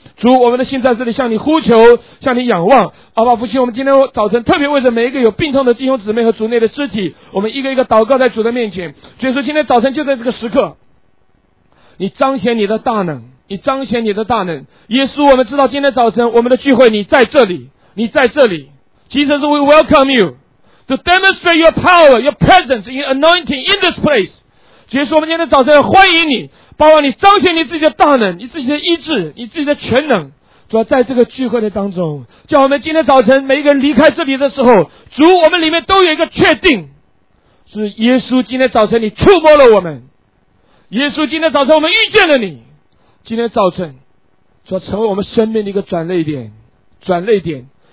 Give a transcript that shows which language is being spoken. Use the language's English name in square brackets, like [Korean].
[Chinese] 主，我们的心在这里向你呼求，向你仰望。阿爸父亲，我们今天早晨特别为着每一个有病痛的弟兄姊妹和主内的肢体，我们一个一个祷告在主的面前。主耶稣，今天早晨就在这个时刻，你彰显你的大能，你彰显你的大能。耶稣，我们知道今天早晨我们的聚会你在这里，你在这里。 [English] Jesus, we welcome you to demonstrate your power, your presence, your anointing in this place. [Chinese] 耶稣，我们今天早晨欢迎你，包括你彰显你自己的大能，你自己的医治，你自己的全能。主要在这个聚会的当中，叫我们今天早晨每一个人离开这里的时候，主，我们里面都有一个确定，是耶稣今天早晨你触摸了我们，耶稣今天早晨我们遇见了你，今天早晨主要成为我们生命的一个转捩点，转捩点。